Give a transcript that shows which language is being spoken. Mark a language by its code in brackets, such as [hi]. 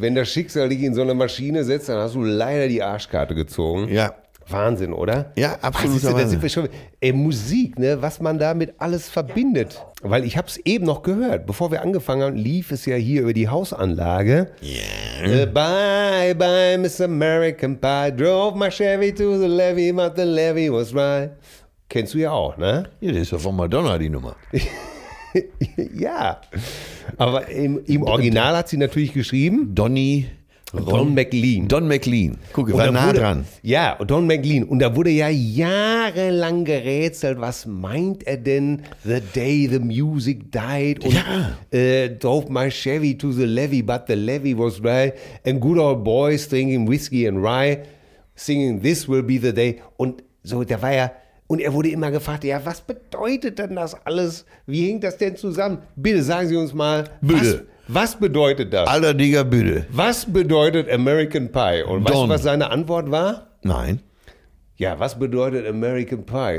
[de] Wenn das Schicksal dich in so eine Maschine setzt, dann hast du leider die Arschkarte gezogen. Ja. Wahnsinn, oder? Ja, absolut. Da sind wir schon. Musik, ne? Was man damit alles verbindet. Weil ich habe es eben noch gehört. Bevor wir angefangen haben, lief es ja hier über die Hausanlage. [en] Yeah. Bye, bye, Mr. American Pie. Drove my Chevy to the levee, but the levee was dry. [de] Kennst du ja auch, ne? Ja, das ist ja von Madonna die Nummer. Ja. Aber im Original hat sie natürlich geschrieben. Don McLean. Guck, war nah dran. Ja, Don McLean. Und da wurde ja jahrelang gerätselt, was meint er denn? [en] The day the music died. Und drove my Chevy to the levee, but the levee was dry. And good old boys drinking whiskey and rye, singing this will be the day. [de] Und so, da war ja, und er wurde immer gefragt, ja, was bedeutet denn das alles? Wie hängt das denn zusammen? Bitte sagen Sie uns mal. Bitte. Was bedeutet das? Alter Digga, bitte. Was bedeutet American Pie? Und Don. Weißt du, was seine Antwort war? Nein. Ja, was bedeutet American Pie?